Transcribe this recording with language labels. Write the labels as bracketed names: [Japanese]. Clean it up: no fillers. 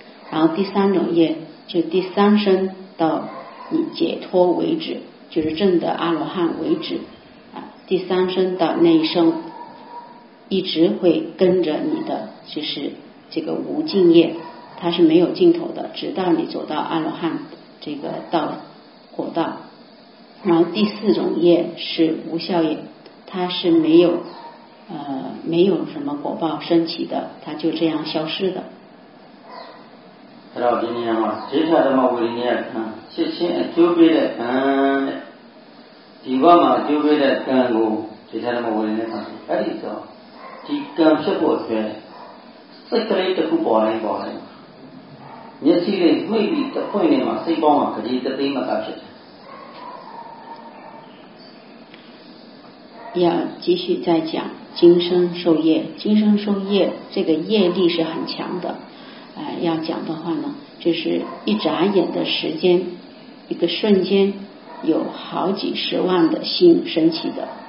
[Chinese] 然后第三种业，就第三生到你解脱为止，就是证得阿罗汉为止，第三生到那一生一直会跟着你的，就是这个无尽业，它是没有尽头的，直到你走到阿罗汉这个道果道。然后第四种业是无效业，它是没有什么果报升起的，它就这样消失的。 [Burmese] ဒါတော့ဒီနေရာမှာဈေးထာဓမ္မဝိနည်းအခန်းချက်ချင်းအကျိုးပေးတဲ့ကံဒီဘက်မှာအကျိုးပေးတဲ့ကံကိုဈေးထာဓမ္မဝိနည်းမှာအဲ့ဒီတော့ဒီကံဖြစ်ဖို့အတွက်စိတ်ကလေးတစ်ခုပေါ်နေပါလေမျက်စိလေးမှိတ်ပြီးတစ်ခွင့်နေမှာစိတ်ပေါင်းမှာကလေးတသိမ်းမှာဖြစ်တယ် [Chinese] ရာ继续再讲今生受业，今生受业这个业力是很强的，要讲的话呢，就是一眨眼的时间，一个瞬间，有好几十万的心升起的。